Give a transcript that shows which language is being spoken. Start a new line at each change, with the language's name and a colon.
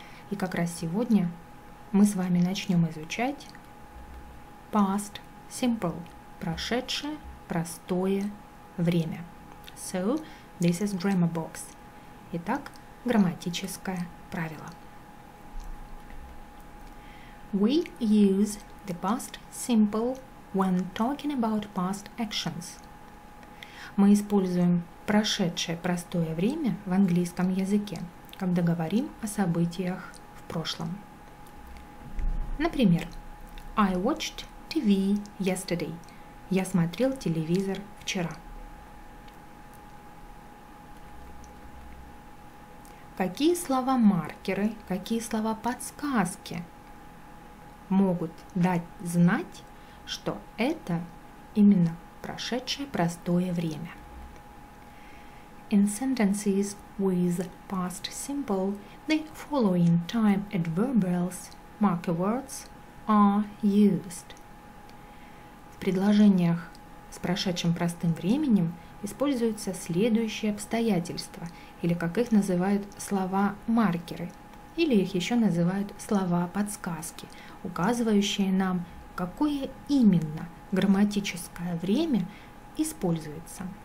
Russian: И как раз сегодня мы с вами начнем изучать past simple, прошедшее простое время.
English: So, this is grammar box.
Russian: Итак, грамматическое правило.
English: We use the past simple when talking about past actions.
Russian: Мы используем прошедшее простое время в английском языке, когда говорим о событиях в прошлом. Например,
English: I watched TV yesterday.
Russian: Я смотрел телевизор вчера. К какие слова-маркеры, какие слова-подсказки могут дать знать, что это именно прошедшее простое время.
English: In sentences with past simple, the following time adverbials, marker words, are used.
Russian: В предложениях с прошедшим простым временем используются следующие обстоятельства, или как их называют слова-маркеры, или их еще называют слова-подсказки, указывающие нам, какое именно грамматическое время используется.